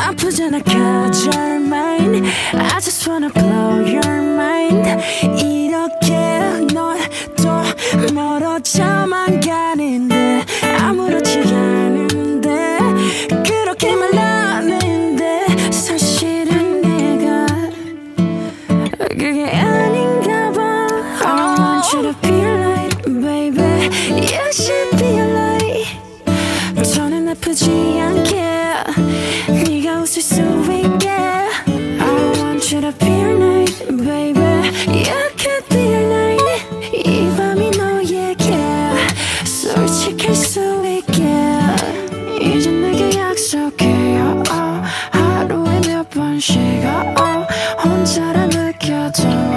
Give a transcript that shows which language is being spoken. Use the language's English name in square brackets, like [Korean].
[Korean] 잖아 [English] catch your mind. I just wanna blow your mind. [Korean] 이렇게 넌 또 멀어져만 가는데 아무렇지 않은데 그렇게 말하는데 사실은 내가 그게 아닌가 봐. [English] Oh, I want you to be right, baby. You should be right. [Korean] 저는 아프지 않게 네가 웃을 수 있게. [English] I want you to be right, baby. You could be right. [Korean] 이 밤이 너에게 솔직할 수 있게. 이제 내게 약속해요. 하루에 몇 번씩 혼자라 느껴져.